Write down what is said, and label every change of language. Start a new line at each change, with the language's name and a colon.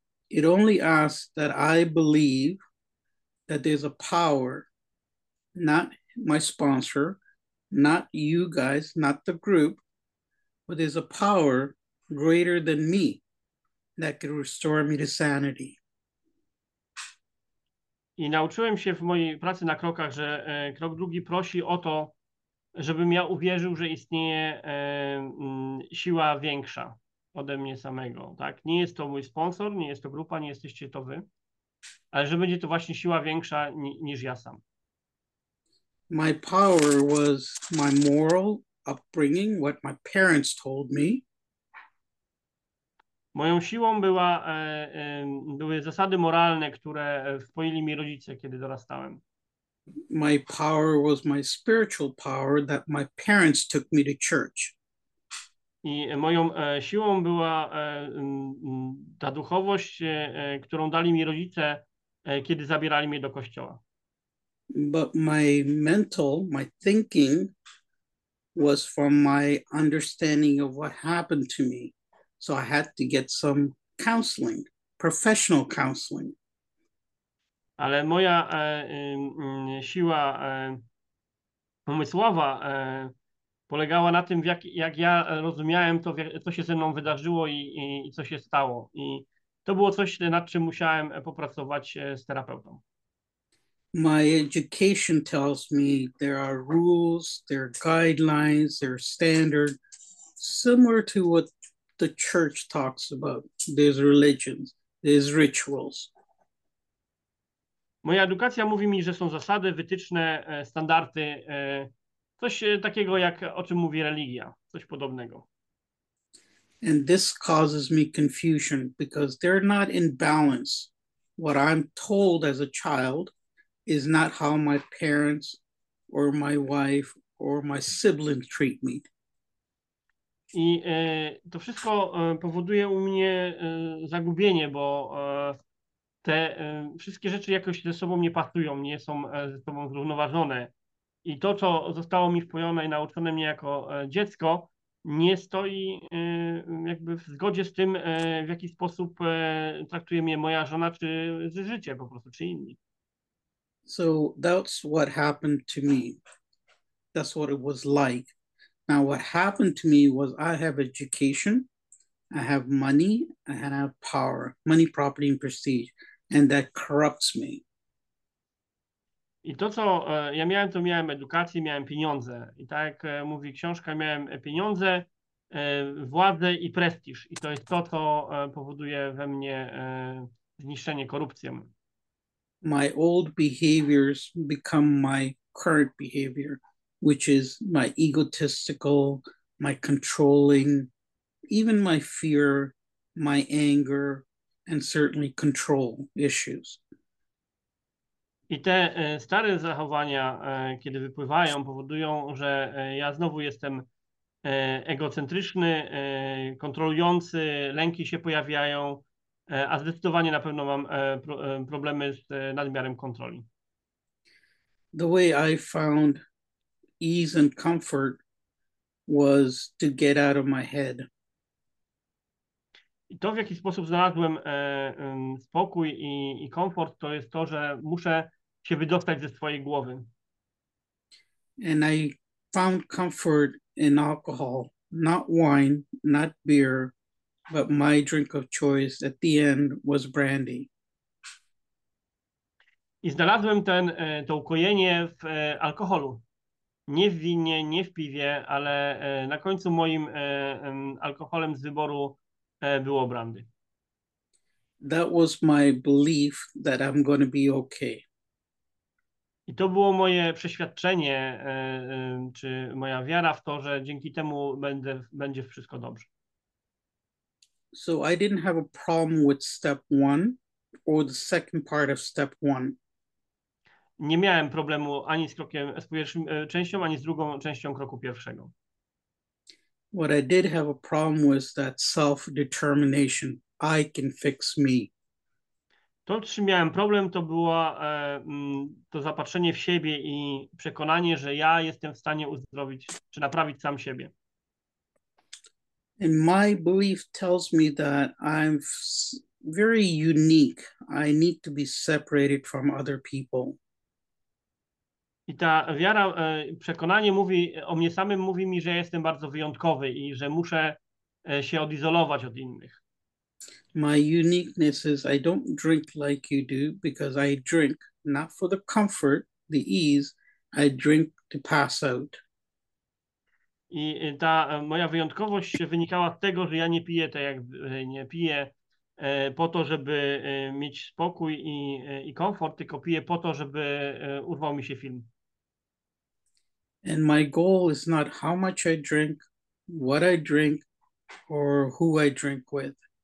English: It only asks that I believe that there's a power, not my sponsor, not you guys, not the group, but there's a power greater than me that could restore me to sanity.
Polish: I nauczyłem się w mojej pracy na krokach, że krok drugi prosi o to, żebym ja uwierzył, że istnieje siła większa ode mnie samego, tak? Nie jest to mój sponsor, nie jest to grupa, nie jesteście to wy, ale że będzie to właśnie siła większa niż ja sam.
English: My power was my moral upbringing, what my parents told me.
Polish: Moją siłą była były zasady moralne, które wpoili mi rodzice, kiedy dorastałem.
English: My power was my spiritual power that my parents took me to church.
Polish: I moją siłą była ta duchowość, którą dali mi rodzice, kiedy zabierali mnie do kościoła.
English: But my mental, my thinking was from my understanding of what happened to me. So I had to get some counseling, professional counseling.
Polish: Ale moja siła umysłowa polegała na tym, jak ja rozumiałem to, co się ze mną wydarzyło i co się stało. I to było coś, nad czym musiałem popracować z terapeutą.
English: My education tells me there are rules, there are guidelines, there are standards, similar to what the church talks about. There's religions, there's rituals.
Polish: Moja edukacja mówi mi, że są zasady, wytyczne, standardy, coś takiego, jak o czym mówi religia, coś podobnego.
English: And this causes me confusion because they're not in balance. What I'm told as a child is not how my parents or my wife or my siblings treat me.
Polish: I to wszystko powoduje u mnie zagubienie, bo te wszystkie rzeczy jakoś ze sobą nie pasują, nie są ze sobą zrównoważone. I to, co zostało mi wpojone i nauczone mnie jako dziecko, nie stoi jakby w zgodzie z tym, w jaki sposób traktuje mnie moja żona, czy życie po prostu, czy inni.
English: So that's what happened to me. That's what it was like. Now, what happened to me was I have education, I have money, and I have power, money, property, and prestige, and that corrupts me.
Polish: I to, co ja miałem, to miałem edukację, miałem pieniądze. I tak jak mówi książka, miałem pieniądze, władzę i prestiż. I to jest to, co powoduje we mnie zniszczenie, korupcję.
English: My old behaviors become my current behavior, which is my egotistical, my controlling, even my fear, my anger, and certainly control issues.
Polish: I te stare zachowania, kiedy wypływają, powodują, że ja znowu jestem egocentryczny, kontrolujący, lęki się pojawiają, a zdecydowanie na pewno mam problemy z nadmiarem kontroli.
English: The way I found ease and comfort was to get out of my head.
Polish: I to, w jaki sposób znalazłem spokój i komfort, to jest to, że muszę się wydostać ze swojej głowy.
English: And I found comfort in alcohol, not wine, not beer, but my drink of choice at the end was brandy.
Polish: I znalazłem to ukojenie w alkoholu. Nie w winie, nie w piwie, ale na końcu moim alkoholem z wyboru było brandy.
English: That was my belief that I'm going to be okay.
Polish: I to było moje przeświadczenie, czy moja wiara w to, że dzięki temu będzie wszystko dobrze.
English: So I didn't have a problem with step one or the second part of step one.
Polish: Nie miałem problemu ani z krokiem, z pierwszym częścią, ani z drugą częścią kroku pierwszego.
English: What I did have a problem was that self-determination. I can fix me.
Polish: To, czym miałem problem, to było to zapatrzenie w siebie i przekonanie, że ja jestem w stanie uzdrowić czy naprawić sam siebie.
English: And my belief tells me that I'm very unique. I need to be separated from other people.
Polish: I ta wiara, przekonanie mówi o mnie samym, mówi mi, że jestem bardzo wyjątkowy i że muszę się odizolować od innych.
English: My uniqueness is I don't drink like you do because I drink not for the comfort, the ease, I drink to pass out.
Polish: I ta moja wyjątkowość wynikała z tego, że ja nie piję tak jak nie piję po to, żeby mieć spokój i komfort, tylko piję po to, żeby urwał mi się film.
English: And my goal is not how much I drink, what I drink, or who I drink with.